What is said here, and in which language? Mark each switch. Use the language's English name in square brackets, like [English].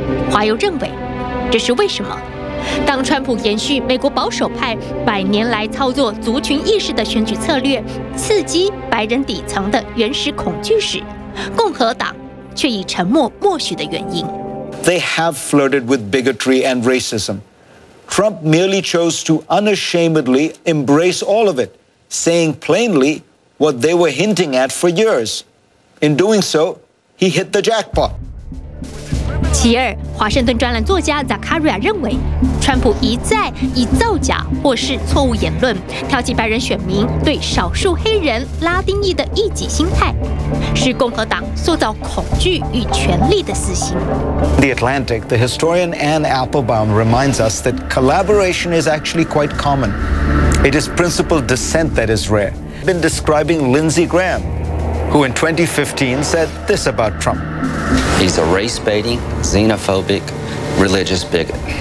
[Chinese] 华邮认为，这是为什么？当川普延续美国保守派百年来操作族群意识的选举策略，刺激白人底层的原始恐惧时，共和党却以沉默默许的原因。 [English] They have flirted with bigotry and racism. Trump merely chose to unashamedly embrace all of it, saying plainly what they were hinting at for years. In doing so, he hit the jackpot. [Chinese] 其二，华盛顿专栏作家 Zakaria 认为，川普一再以造假或是错误言论挑起白人选民对少数黑人拉丁裔的异己心态，是共和党塑造恐惧与权力的私心。 [English] The Atlantic, the historian Anne Applebaum reminds us that collaboration is actually quite common. It is principled dissent that is rare. I've been describing Lindsey Graham, who in 2015 said this about Trump. He's a race-baiting, xenophobic, religious bigot.